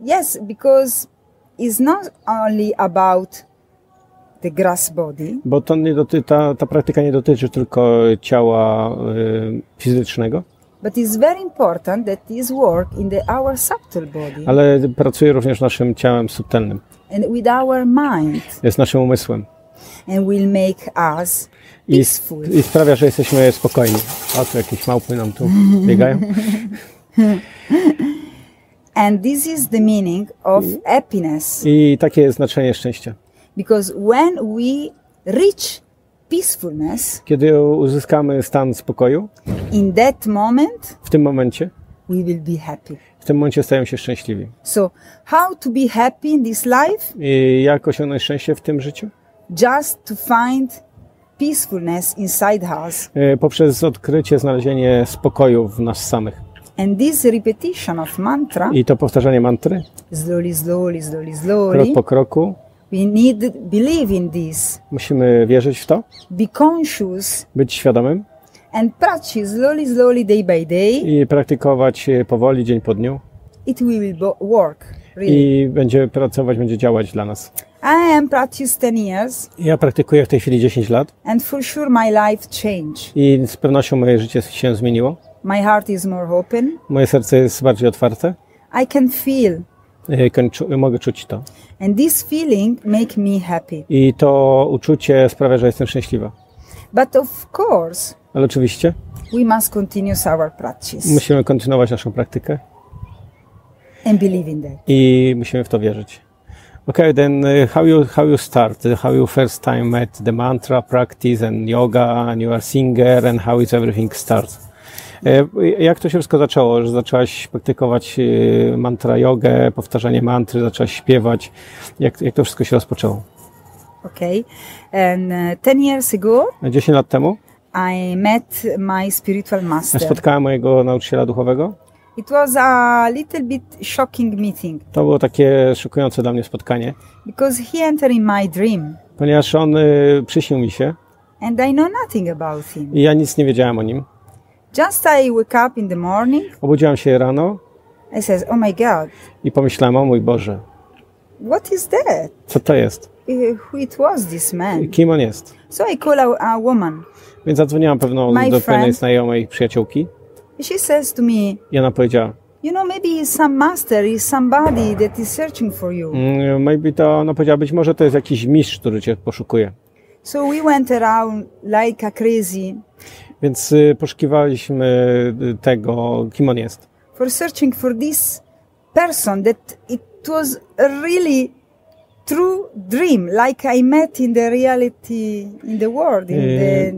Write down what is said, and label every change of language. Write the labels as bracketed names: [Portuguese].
[English] Yes, because it's not only about the grass body. [Polish] Bo to nie ta praktyka nie dotyczy tylko ciała fizycznego. [English] But it's very important that this work in our subtle body. [Polish] Ale pracuje również naszym ciałem subtelnym. [English] And with our mind. [Polish] Jest naszym umysłem. [English] And will make us peaceful. [Polish] I sprawia, że jesteśmy spokojni. O, tu jakieś małpy nam tu biegają. [English] And this is the meaning of happiness. [Polish] I takie jest znaczenie szczęścia. [English] Because when we reach peacefulness, [Polish] kiedy uzyskamy stan spokoju, [English] in that moment, [Polish] w tym momencie, [English] we will be happy. [Polish] W tym momencie stajemy się szczęśliwi. [English] So, how to be happy in this life? [Polish] I jak osiągnąć szczęście w tym życiu? [English] Just to find peacefulness inside us. [Polish] Poprzez odkrycie, znalezienie spokoju w nas samych. [English] And this repetition of mantra. [Polish] I to powtarzanie mantry. [English] Slowly, slowly, slowly, slowly. [Polish] Krok po kroku. [English] We need believe in this. [Polish] Musimy wierzyć w to. [English] Be conscious. [Polish] Być świadomym. [English] And practice slowly, slowly, day by day. [Polish] I praktykować powoli, dzień po dniu. [English] It will work. Really. [Polish] I będzie pracować, będzie działać dla nas. [English] I am practice 10 years. [Polish] Ja praktykuję w tej chwili 10 lat. [English] And for sure my life changed. [Polish] I z pewnością moje życie się zmieniło. [English] My heart is more open. [Polish] Moje serce jest bardziej otwarte. [English] I can feel. [Polish] Mogę czuć to. [English] And this feeling make me happy. [Polish] I to uczucie sprawia, że jestem szczęśliwa. [English] But of course. [Polish] Ale oczywiście. [English] We must continue our practice. [Polish] Musimy kontynuować naszą praktykę. [English] And believe in that. [Polish] I musimy w to wierzyć. [English] Okay, then how you start? How you first time met the mantra practice and yoga and you are singer and how is everything start? [Polish] Jak to się wszystko zaczęło, że zaczęłaś praktykować mantra jogę, powtarzanie mantry, zaczęłaś śpiewać? Jak to wszystko się rozpoczęło? [English] Okay. And 10 years ago. [Polish] 10 lat temu. [English] I met my spiritual master. [Polish] Spotkałem mojego nauczyciela duchowego. [English] It was a little bit shocking meeting. [Polish] To było takie szokujące dla mnie spotkanie. [English] Because he entered in my dream. [Polish] Ponieważ on przyśnił mi się. [English] And I know nothing about him. [Polish] I ja nic nie wiedziałem o nim. [English] Just I wake up in the morning. [Polish] Obudziłem się rano. [English] I says, oh my God. [Polish] I pomyślałem, o mój Boże. [English] What is that? [Polish] Co to jest? [English] Who it was this man? [Polish] Kim on jest? [English] So I call a woman. [Polish] Więc zadzwoniłam pewną do pewnej znajomej przyjaciółki. [English] She says to me. [Polish] I ona powiedziała. [English] You know, maybe it's some master, it's somebody that is searching for you. [Polish] Maybe to ona powiedziała, być może to jest jakiś mistrz, który cię poszukuje. [English] So we went around like a crazy. [Polish] Więc poszukiwaliśmy tego, kim on jest. [English] For searching for this person that it was really true dream, like I met in the reality, in the world, in the normal life.